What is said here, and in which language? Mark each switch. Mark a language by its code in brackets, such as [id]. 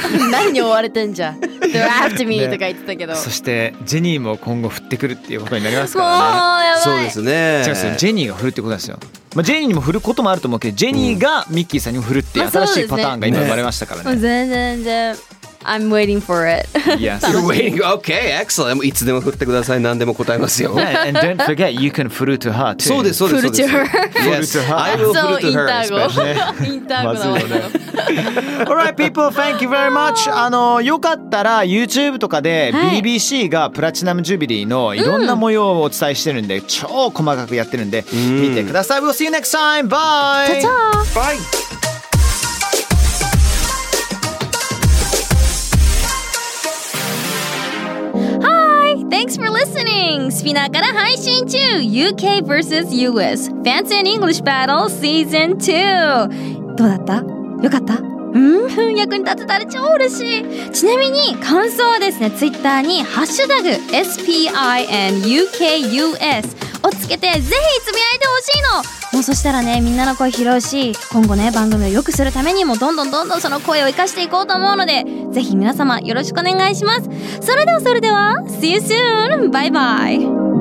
[ja] 何に追われてんじゃん。 [en] They're after me [ja] とか言ってたけど、そしてジェニーも今後降ってくるっていうことになりますからね。もうやばい。そうですね、違うんですよ、ジェニーが降るってことですよ。まあ、ジェニーにも振ることもあると思うけど、ジェニーがミッキーさんにも振るっていう新しいパターンが今生まれましたから ね、全然全然 [en] I'm waiting for it. Yes. You're waiting. Okay, excellent. [ja] いつでも振ってください。何でも答えますよ。 [en] Yeah, and don't forget, you can flutter to her too. そうです、そうです。 Flutter to her. Yes, I will flutter to her. So, インターゴ。 All right, people, thank you very much. [ja] よかったら YouTube とかで BBC がプラチナムジュビリーのいろんな模様をお伝えしてるんで、超細かくやってるんで、見てください。 [en] We'll see you next time. Bye! Ta-ta! Bye! Thanks for listening! [ja] Spina から配信中 UK vs. US Fancy and English Battle Season 2! どうだった？よかった？うん、役に立てたら超嬉しい。ちなみに感想はですね、 Twitter にハッシュタグ SPINUKUS をつけてぜひつぶやいてほしいの。もうそしたらね、みんなの声拾うし、今後ね番組を良くするためにもどんどんどんどんその声を生かしていこうと思うので、ぜひ皆様よろしくお願いします。それではそれでは [en] See you soon! Bye bye!